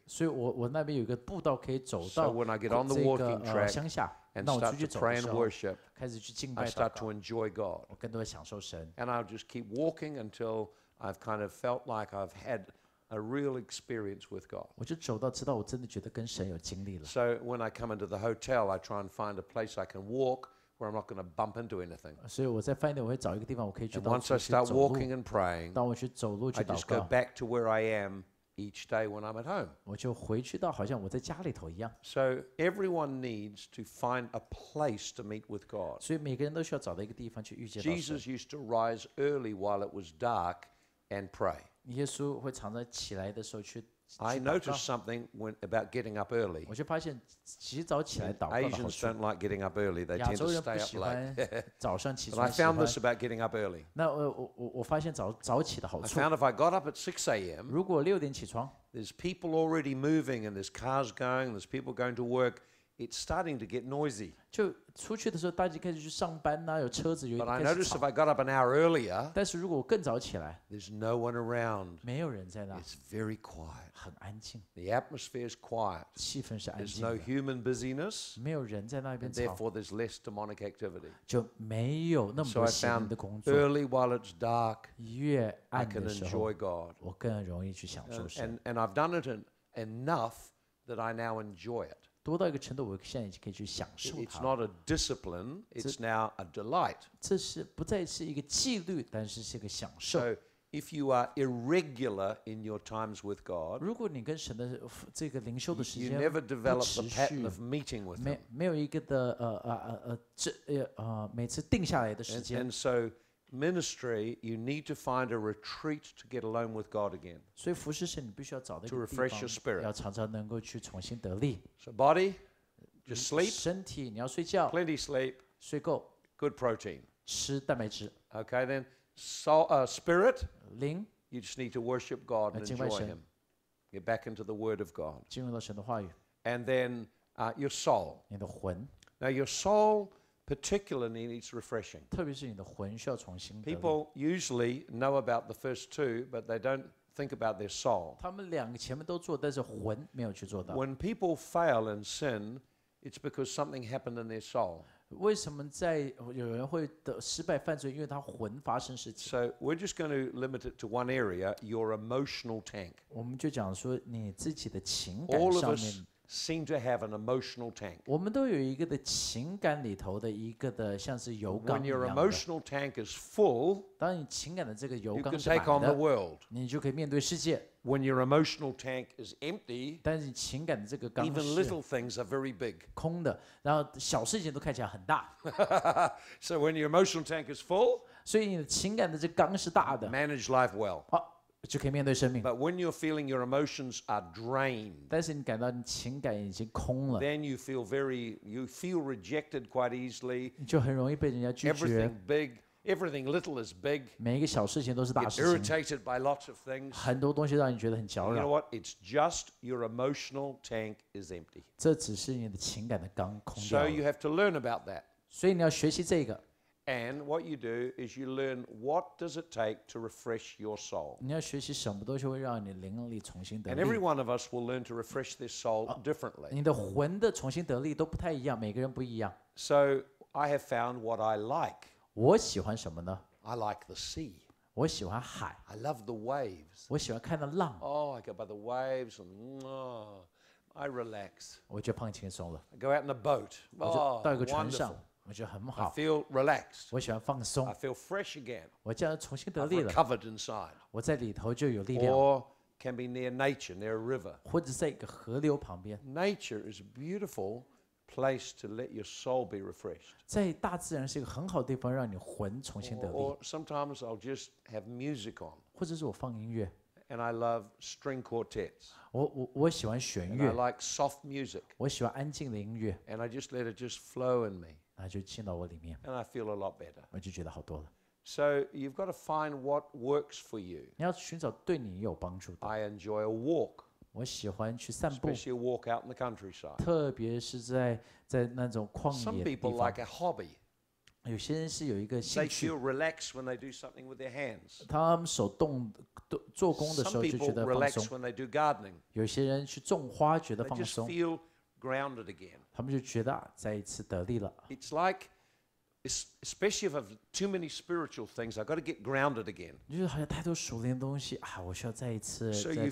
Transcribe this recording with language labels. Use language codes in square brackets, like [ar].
[zh] 所以我那边有一个步道可以走到这个。 [en] So when I get on the walking track, [zh] 乡下， [en] and start to pray and worship, [zh] 开始去敬拜祷告。 [en] I start to enjoy God. [zh] 我更多的享受神。 [en] And I'll just keep walking until I've kind of felt like I've had. A real experience with God. [zh] 我就走到知道我真的觉得跟神有经历了。 [en] So when I come into the hotel, I try and find a place I can walk where I'm not going to bump into anything. [zh] 所以我在饭店我会找一个地方我可以去走路。 [en] And once I start walking and praying, [zh] 当我去走路去祷告 [en] I just go back to where I am each day when I'm at home. [zh] 我就回去到好像我在家里头一样。 [en] So everyone needs to find a place to meet with God. [zh] 所以每个人都需要找到一个地方去遇见到神。 [en] Jesus used to rise early while it was dark and pray. [zh] 耶稣会常常起来的时候去。 [en] I noticed something when about getting up early. [zh] 我就发现起早起来祷告。 [en] Asians don't like getting up early. They tend to stay up late. [zh] 早上起床。 [en] But I found this about getting up early. [zh] 那我发现早起的好处。 [en] I found if I got up at 6 a.m. [zh] 如果六点起床。 [en] There's people already moving and there's cars going. There's people going to work. It's starting to get noisy. [zh] 就出去的时候，大家开始去上班呐、啊，有车子，有。 [en] But I noticed if I got up an hour earlier. [zh] 但是如果我更早起来。 [en] There's no one around. [zh] 没有人在那。 [en] It's very quiet. [zh] 很安静。 [en] The atmosphere is quiet. [zh] 气氛是安静的。 [en] There's no human busyness. [zh] 没有人在那边吵。 [en] And therefore, there's less demonic activity. [zh] 就没有那么多邪灵的工作。 [en] Early while it's dark. [zh] 越暗的时候。 [en] I can enjoy God. [zh] 我更容易去享受神。 [en] And I've done it enough that I now enjoy it. [zh] 多到一个程度，我现在已经可以去享受它。 [en] It's not a discipline, it's now a delight. [zh] 这是不再是一个纪律，但是是一个享受。 [en] So if you are irregular in your times with God, [zh] 如果你跟神的这个灵修的时间 [en] you never develop the pattern of meeting with Him. [zh] 没有一个的每次定下来的时间。 [en] And so ministry, you need to find a retreat to get alone with God again. [zh] 所以服事时你必须要找到一个地方。 [en] To refresh your spirit. [zh] 要常常能够去重新得力。 [en] So body, just sleep. [zh] 身体你要睡觉。 [en] Plenty sleep. [zh] 睡够。 [en] Good protein. [zh] 吃蛋白质。 [en] Okay then, so, spirit. [zh] 灵。 [en] You just need to worship God and enjoy Him. Get back into the Word of God. [zh] 进入到神的话语。 [en] And then, Your soul. [zh] 你的魂。 [en] Now your soul particularly needs refreshing. [zh] 特别是你的魂需要重新得力。 [en] People usually know about the first two, but they don't think about their soul. [zh] 他们两个前面都做，但是魂没有去做到。 [en] When people fail in sin, it's because something happened in their soul. [zh] 为什么在有人会得失败犯罪？因为他魂发生事情。 [en] So we're just going to limit it to one area, your emotional tank. [zh] 我们就讲说你自己的情感上面。 [en] All of us seem to have an emotional tank. [zh] 我们都有一个的情感里头的一个的像是油缸一样的。 [en] When your emotional tank is full, [zh] 当你情感的这个油缸是满的 [en] you can take on the world. [zh] 你就可以面对世界。 [en] When your emotional tank is empty, [zh] 但是情感的这个缸是 [en] even little things are very big. [zh] 空的，然后小事情都看起来很大。 [en] So when your emotional tank is full, [zh] 所以你的情感的这缸是大的。 [en] Manage life well. [zh] 好，就可以面对生命。 [en] But when you're feeling your emotions are drained, [zh] 但是你感到你情感已经空了。 [en] Then you feel rejected quite easily. [zh] 你就很容易被人家拒绝。 [en] Everything little is big. [zh] 每一个小事情都是大事情。 [en] Irritated by lots of things. [zh] 很多东西让你觉得很焦虑。 [en] You know what? It's just your emotional tank is empty. [zh] 这只是你的情感的缸空掉 [en] 了。So you have to learn about that. [zh] 所以你要学习这个。 [en] And what you do is you learn what does it take to refresh your soul. [zh] 你要学习什么东西会让你灵力重新得力。 [en] And every one of us will learn to refresh this soul differently. [zh] 你的魂的重新得力都不太一样，每个人不一样。 [en] So I have found what I like. [zh] 我喜欢什么呢 [en] ？I like the sea. [zh] 我喜欢海。 [en] I love the waves. [zh] 我喜欢看的浪。 [en] Oh, I go by the waves and I relax. [zh] 我觉得放轻松了。 [en] I go out in a boat. [zh] 我就到一个船上， oh, 我觉得很好。 [en] I feel relaxed. [zh] 我喜欢放松。 [en] I feel fresh again. [zh] 我这样重新得力了。 [en] I've recovered inside. [zh] 我在里头就有力量。 [en] Or can be near nature, near a river. [zh] 或者在一个河流旁边。 [en] Nature is beautiful. Place to let your soul be refreshed. [zh] 在大自然是一个很好的地方，让你魂重新得力。 [en] Or sometimes I'll just have music on. [zh] 或者是我放音乐。 [en] And I love string quartets. [zh] 我喜欢弦乐。 [en] And I like soft music. [zh] 我喜欢安静的音乐。 [en] And I just let it just flow in me. [zh] 那就进到我里面。 [en] And I feel a lot better. [zh] 我就觉得好多了。 [en] So you've got to find what works for you. [zh] 你要寻找对你有帮助的。 [en] I enjoy a walk. [zh] 我喜欢去散步 [en] especially walk out in the countryside. [zh] 特别是 在那种旷野的地方 [en] Some people like a hobby. [zh] 有些人是有一个兴趣 [en] They feel relaxed when they do something with their hands. [zh] 他们手动做工的时候就觉得放松 [en] when they do gardening. [zh] 有些人去种花觉得放松 [en] They just feel grounded again. [zh] 他们就觉得再一次得力了 [en] It's like, especially if I have too many spiritual things, I've got to get grounded again. [zh] 就是好像太多属灵的东西啊，我需要再一次再重新。